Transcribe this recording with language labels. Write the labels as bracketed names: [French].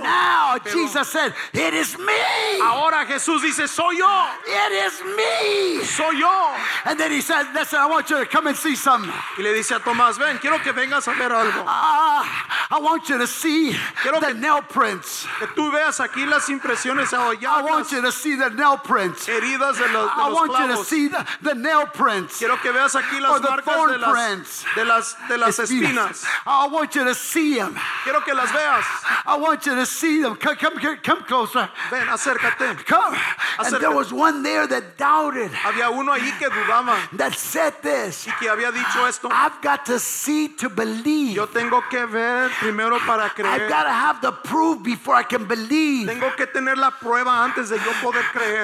[English] But now, pero Jesus said, it is me. [Spanish] Ahora Jesús dice, soy yo. [English] It is me. [Spanish] Soy yo. [English] And then he says, listen, I want you to come and see some. [Spanish] Y le dice a Tomás, ven, quiero que vengas a ver algo. [English] I want you to see [Spanish] quiero [English] the nail prints. [Spanish] Que tú veas aquí las impresiones [English] ahoyadas. I want you to see the nail prints. [Spanish] Heridas de los [English] clavos. I want [Spanish] clavos. [English] You to see the nail prints. [Spanish] Quiero que veas aquí las [English] or the [Spanish] marcas [English] thorn [Spanish] de las [English] prints. [Spanish] De las espinas. [English] I want you to see them. [Spanish] Quiero que las veas. [English] I want you to see them. Come closer. [Spanish] Ven, acércate. [English] Come. [Spanish] Acércate. [English] And there was one there that doubted. [Spanish] Había uno ahí que dudaba. [English] That said this. [Spanish] Y que había dicho esto. [English] I've got to see to believe. [Spanish] Yo tengo que ver primero para creer. [English] I've got to have the proof before I can believe. [Spanish] Tengo que tener la prueba antes de yo poder creer.